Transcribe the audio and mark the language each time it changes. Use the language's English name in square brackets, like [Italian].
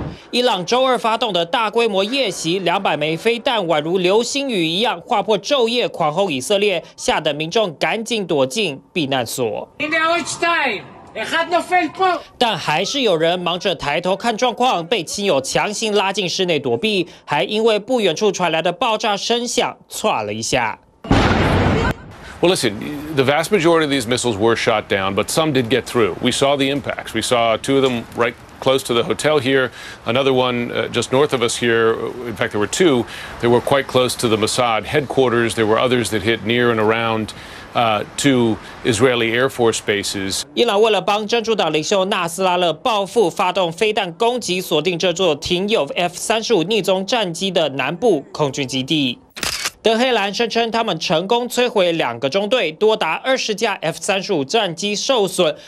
[Chinese] 伊朗周二发动的大规模夜袭，200枚飞弹宛如流星雨一样划破昼夜，狂轰以色列，吓得民众赶紧躲进避难所。但还是有人忙着抬头看状况，被亲友强行拉进室内躲避，还因为不远处传来的爆炸声响错了一下。 [English] Well, listen, the vast majority of these missiles were shot down, but some did get through. We saw the impacts. We saw two of them right close to the hotel here. Another one just north of us here. In fact, there were two. They were quite close to the Mossad headquarters. There were others that hit near and around. To Israeli Air Force bases. [Chinese] 伊朗为了帮真主党领袖纳斯拉勒报复，发动飞弹攻击，锁定这座停有 F-35 逆踪战机的南部空军基地。德黑兰声称他们成功摧毁两个中队，多达20架 F-35 战机受损。